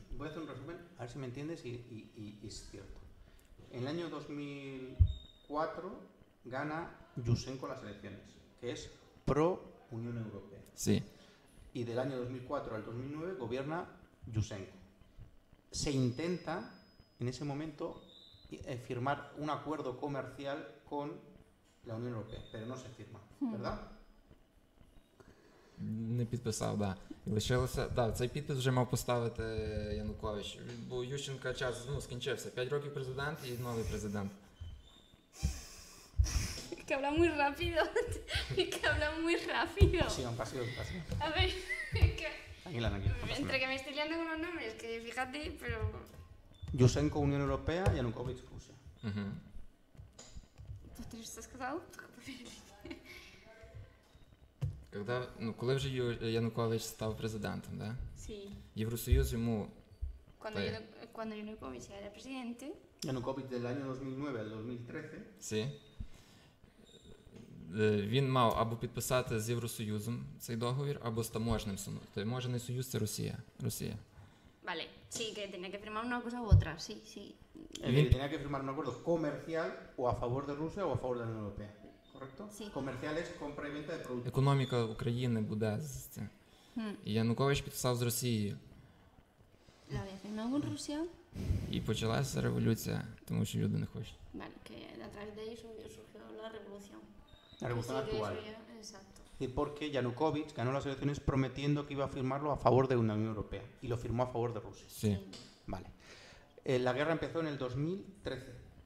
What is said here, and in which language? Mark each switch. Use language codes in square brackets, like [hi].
[es] Voy a hacer un resumen, a ver si me entiendes y es cierto. En el año 2004 gana Yushchenko las elecciones, que es pro-Unión Europea. Sí. Y del año 2004 al 2009 gobierna Yushchenko. Se intenta en ese momento firmar un acuerdo comercial con la Unión Europea, pero no se firma, ¿verdad? [uk] Не підписав, да. І лишилося, да, цей підпис вже мав поставити Янукович, бо Ющенка час, ну, скінчився. 5 років президент і новий президент. [es] Que habla muy rápido. Que habla muy rápido. Pasión. A ver, tranquila. Entre que me estoy liando con los nombres, que fíjate, pero... Yushchenko, Unión Europea, y Yanukovych, Rusia. Uh-huh. ¿Tú te has casado? [uk] Когда, ну, коли вже Янукович став президентом, да? [es] Sí. [uk] Євросоюз йому... [es] Cuando Yanukovych era presidente... Yanukovych del año 2009 al 2013. Sí. [uk] Він мав або підписати з Євросоюзом цей договір, або з таможним союзом. Таможний союз – це Росія. Росія. [es] Vale. Sí, que tenía que firmar una cosa u otra. Sí, sí. [uk] Він... [es] Tenía que firmar un acuerdo comercial o a favor de Rusia o a favor de la Unión Europea. Correcto? Sí. Comercial es compra y venta de productos. [uk] Економіка України буде з цим. Янукович підписав з Росією. [es] La había firmado con Rusia. [uk] І почалася революція, тому що люди не хочуть. [es] Vale, que a través de eso surgió la revolución. La revolución actual. Exacto. Y porque Yanukovych ganó las elecciones prometiendo que iba a firmarlo a favor de una Unión Europea. Y lo firmó a favor de Rusia. Sí. Vale. La guerra empezó en el 2013.